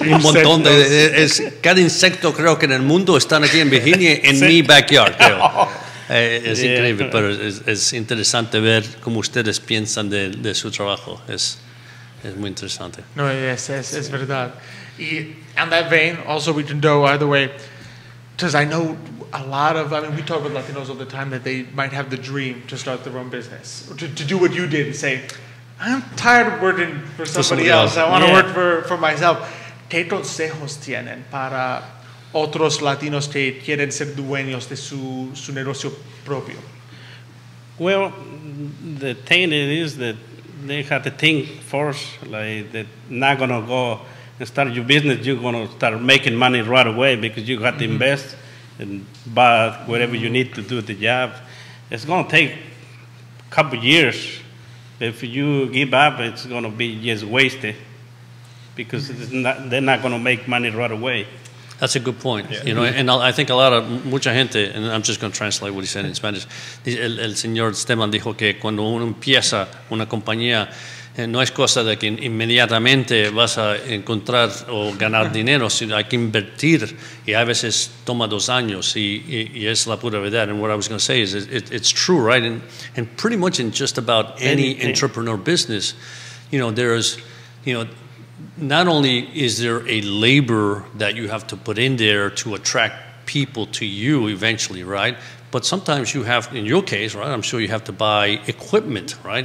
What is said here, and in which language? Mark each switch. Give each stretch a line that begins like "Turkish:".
Spanish: Un montón de cada insecto creo que en el mundo están aquí en Virginia, en mi backyard, creo. Es increíble, pero es interesante ver cómo ustedes piensan de su trabajo. Es muy interesante. No, es verdad. Y en
English: that vein, also we can go either way. Because I know a lot of, I mean, we talk with Latinos all the time that they might have the dream to start their own business, or to do what you did and say, I'm tired of working for somebody else. I want to work for myself.
Spanish: ¿Qué consejos tienen para otros Latinos que quieren ser dueños de su negocio propio?
English: Well, the thing is that they have to think first, like, that not going to go start your business, you're going to start making money right away because you got to invest and buy whatever you need to do the job. It's going to take a couple of years. If you give up, it's going to be just wasted because they're not going to make money right away. That's a good point. Yeah. You know, and I think a lot of,
Spanish: mucha gente,
English: and I'm just going to translate what he said in Spanish.
Spanish: El señor Esteban dijo que cuando uno empieza una compañía, no es cosa de que inmediatamente vas a encontrar o ganar dinero, sino hay que invertir, y a veces toma 2 años, y es la pura verdad.
English: And what I was going to say is it's true, right? And pretty much in just about any entrepreneur business, you know, there is, you know, not only is there a labor that you have to put in there to attract people to you eventually, right? But sometimes you have, in your case, right, I'm sure you have to buy equipment, right?